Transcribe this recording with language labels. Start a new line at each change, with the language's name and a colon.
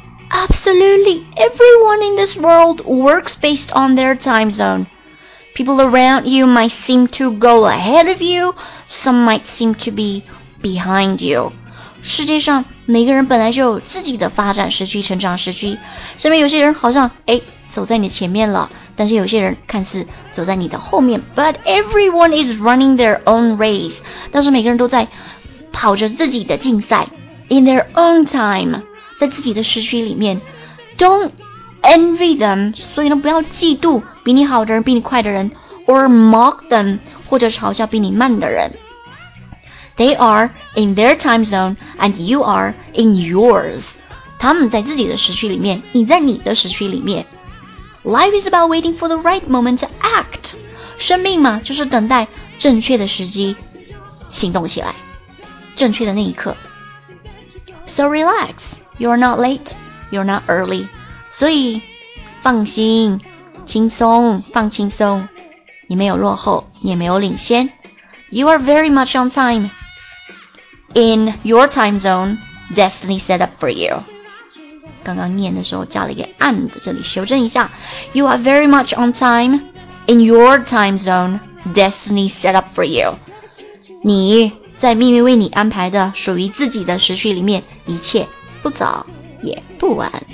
English: Absolutely, everyone in this world works based on their time zone. People around you might seem to go ahead of you, some might seem to be behind you.
Chinese: 世界上每个人本来就有自己的发展时区、成长时区，身边有些人好像走在你前面了，但是有些人看似走在你的后面。
English: But everyone is running their own race.
Chinese: 但是每个人都在跑着自己的竞赛。
English: In their own time.
Chinese: 在自己的时区里面
English: Don't envy them
Chinese: 所以呢不要嫉妒比你好的人比你快的人
English: Or mock them
Chinese: 或者嘲笑比你慢的人
English: They are in their time zone And you are in yours
Chinese: 他们在自己的时区里面
English: 你在你的时区里面 Life is about waiting for the right moment to act
Chinese: 生命嘛就是等待正确的时机行动起来正确的那一刻
English: So relaxYou're not late, you're not early.
Chinese: 所以放心轻松放轻松你没有落后你也没有领先。
English: You are very much on time. In your time zone, destiny set up for you.
Chinese: 刚刚念的时候加了一个 and, 这里修正一下。
English: You are very much on time. In your time zone, destiny set up for you.
Chinese: 你在命运为你安排的属于自己的时区里面一切。不早也不晚。